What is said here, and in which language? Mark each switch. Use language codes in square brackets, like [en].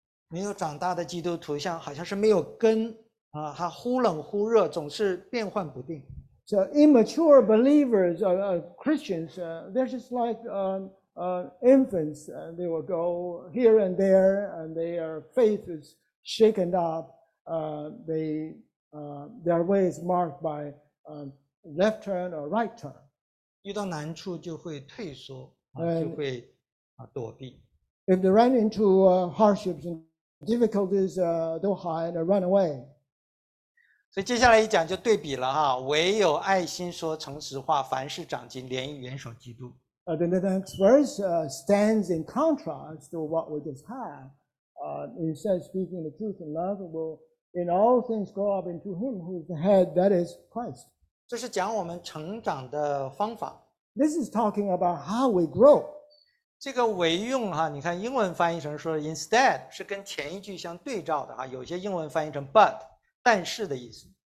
[zh] 没有长大的基督徒像好像是没有根啊，他忽冷忽热，总是变幻不定。 [en] So immature believers, Christians, they're just like infants. They will go here and there, and their faith is. Shaken up, their way is marked by left turn or right turn. [zh] 遇到难处就会退缩，就会躲避。 [en] If they run into hardships and difficulties, they'll hide or run away. [zh] 所以接下来一讲就对比了哈，唯有爱心说诚实话，凡事长进，连于元首基督。 [en] The next verse stands in contrast to what we just had. It says, speaking the truth in love will in all things grow up into him who is the head, that is Christ. [zh] 这是讲我们成长的方法。 [en] This is talking about how we grow. [zh] 这个唯用哈，你看英文翻译成说 instead 是跟前一句相对照的哈，有些英文翻译成 but 但是的意思。